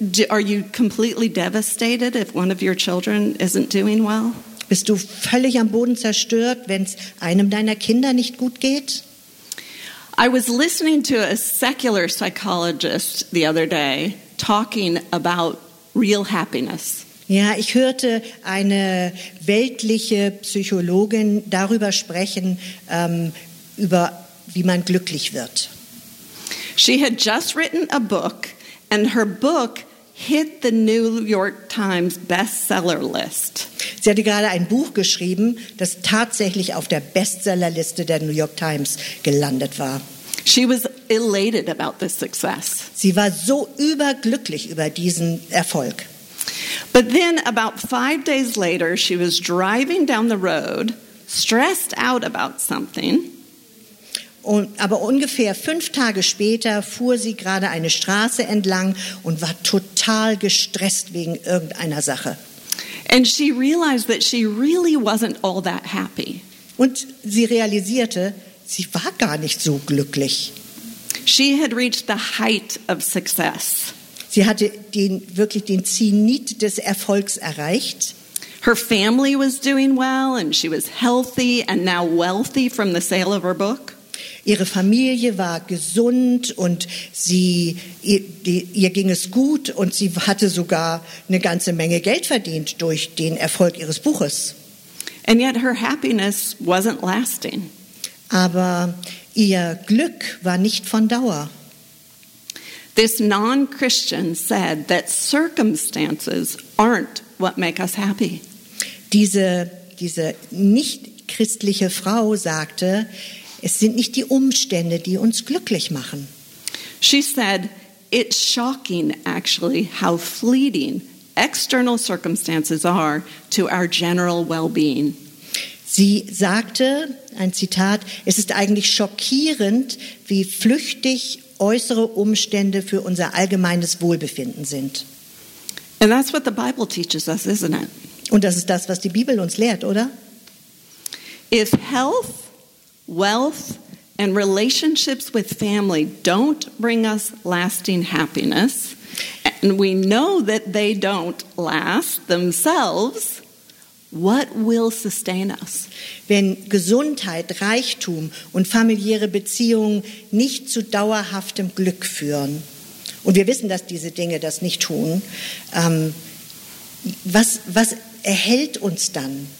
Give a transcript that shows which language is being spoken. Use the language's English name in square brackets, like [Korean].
[English] Are you completely devastated if one of your children isn't doing well? [German] Bist du völlig am Boden zerstört, wenn es einem deiner Kinder nicht gut geht? [English] I was listening to a secular psychologist the other day talking about real happiness. [German] Ja, ich hörte eine weltliche Psychologin darüber sprechen, über wie man glücklich wird. [English] She had just written a book. And her book hit the New York Times bestseller list. [German] Sie hatte gerade ein Buch geschrieben, das tatsächlich auf der Bestsellerliste der New York Times gelandet war. [English] She was elated about this success. [German] Sie war so überglücklich über diesen Erfolg. [English] But then about 5 days later, she was driving down the road, stressed out about something. [German] Aber ungefähr 5 Tage später fuhr sie gerade eine Straße entlang und war total gestresst wegen irgendeiner Sache. [English] And she realized that she really wasn't all that happy. [German] Und sie realisierte, sie war gar nicht so glücklich. [English] She had reached the height of success. [German] Sie hatte wirklich den Zenit des Erfolgs erreicht. [English] Her family was doing well and she was healthy and now wealthy from the sale of her book. [German] Ihre Familie war gesund und ihr ging es gut und sie hatte sogar eine ganze Menge Geld verdient durch den Erfolg ihres Buches. [English] And yet her happiness wasn't lasting. [German] Aber ihr Glück war nicht von Dauer. [English] This non-Christian said that circumstances aren't what make us happy. [German] Diese nicht-christliche Frau sagte, es sind nicht die Umstände, die uns glücklich machen. [English] She said, it's shocking actually how fleeting external circumstances are to our general well-being. [German] Sie sagte, ein Zitat, es ist eigentlich schockierend, wie flüchtig äußere Umstände für unser allgemeines Wohlbefinden sind. [English] And that's what the Bible teaches us, isn't it? [German] Und das ist das, was die Bibel uns lehrt, oder? [English] If health, wealth and relationships with family don't bring us lasting happiness, and we know that they don't last themselves, what will sustain us? [German] Wenn Gesundheit, Reichtum und familiäre Beziehungen nicht zu dauerhaftem Glück führen, und wir wissen, dass diese Dinge das nicht tun, was erhält uns dann?